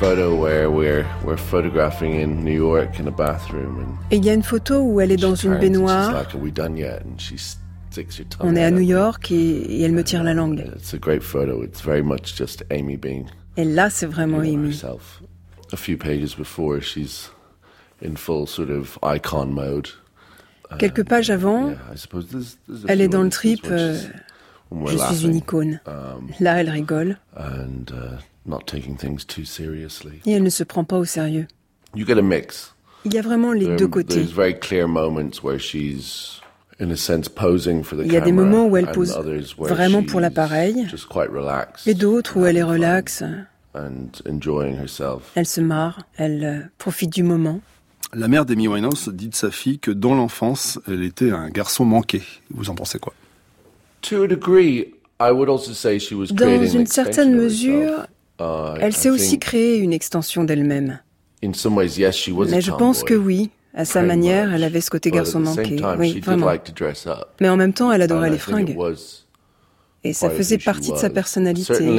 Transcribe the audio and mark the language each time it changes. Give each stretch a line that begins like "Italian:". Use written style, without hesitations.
English: We're photographing in New York in a bathroom, and
French: et il y a une photo où elle est dans une baignoire. On est à New York et elle me tire la langue.
English: It's a great photo. It's very much just Amy being.
French: Et là, c'est vraiment Amy.
English: A few pages before, she's in full sort of icon mode.
French: Quelques pages avant, elle est dans le trip. Je suis une icône. Là, elle rigole.
English: Not taking things too seriously.
French: Et elle ne se prend pas au sérieux.
English: You get a mix.
French: Il y a vraiment les deux côtés.
English: There's very clear moments where she's, in a sense, posing for the camera.
French: Il y a des moments où elle pose vraiment pour l'appareil.
English: Just quite relaxed.
French: Et d'autres où elle est relaxe.
English: And enjoying herself.
French: Elle se marre. Elle profite du moment. La mère d'Amy Winehouse dit de sa fille que dans l'enfance, elle était un garçon manqué. Vous en pensez quoi?
English: To a degree, I would also say she was creating.
French: Dans une certaine mesure. Elle s'est aussi créée une extension d'elle-même. Mais je pense que oui, à sa manière, elle avait ce côté garçon manqué. Oui, vraiment. Mais en même temps, elle adorait les fringues. Et ça faisait partie de sa personnalité.